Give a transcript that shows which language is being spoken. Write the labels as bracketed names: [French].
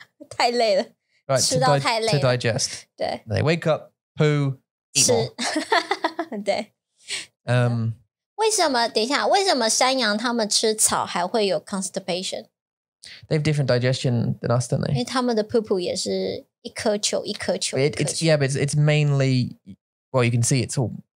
[Chinese] 太累了 [English] right, [Chinese] 吃到太累了 [English] To digest. [Chinese] 对 [English] They wake up, poo, eat [Chinese] 吃 [English] more. [Chinese] 对、为什么等一下为什么山羊他们吃草还会有 constipation? [English] They have different digestion than us, don't they? [Chinese] 因为他们的 poo 也是一颗球一颗球 [English] Yeah, but it's mainly, well, you can see it's all...